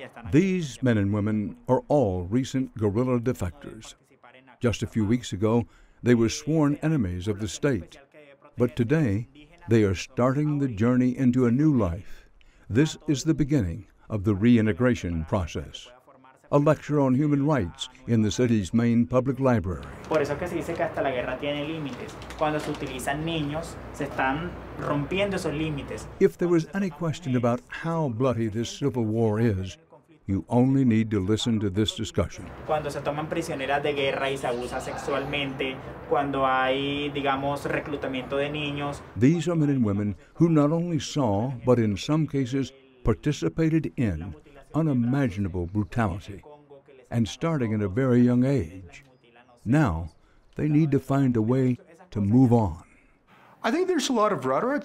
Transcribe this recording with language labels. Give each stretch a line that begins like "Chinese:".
English: These men and women are all recent guerrilla defectors. Just a few weeks ago, they were sworn enemies of the state. But today, they are starting the journey into a new life. This is the beginning of the reintegration process. A lecture on human rights in the city's main public library.
Spanish: Por eso que se dice que hasta la guerra tiene límites. Cuando se utilizan niños, se están rompiendo esos límites.
English: If there was any question about how bloody this civil war is, you only need to listen to this discussion.
Spanish: Cuando se toman prisioneras de guerra y se abusa sexualmente, cuando hay, digamos, reclutamiento de niños.
English: These are men and women who not only saw, but in some cases participated in, unimaginable brutality, and starting at a very young age. Now, they need to find a way to move on. I think there's a lot of rhetoric.